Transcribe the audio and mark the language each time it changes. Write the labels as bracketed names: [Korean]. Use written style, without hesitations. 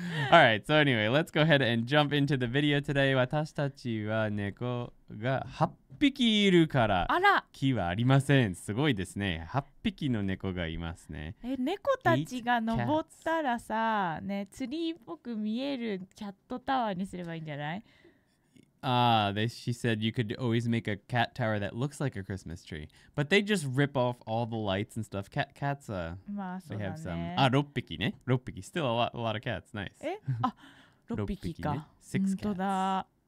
[English] All right, so anyway, let's go ahead and jump into the video today. [Japanese] 私たちは猫が8匹いるから木はありません。すごいですね。8匹の猫がいますね。え、猫たちが登ったらさ、ね、ツリーっぽく見えるキャットタワーにすればいいんじゃない？ [English] She said you could always make a cat tower that looks like a Christmas tree. But they just rip off all the lights and stuff. Cats, they have some. Ah, [Japanese] 6 匹ね。6匹。 [English] Still a lot of cats. Nice. [Japanese] え?あ、6匹か。 [English] 6 cats. [Japanese] 本当だ。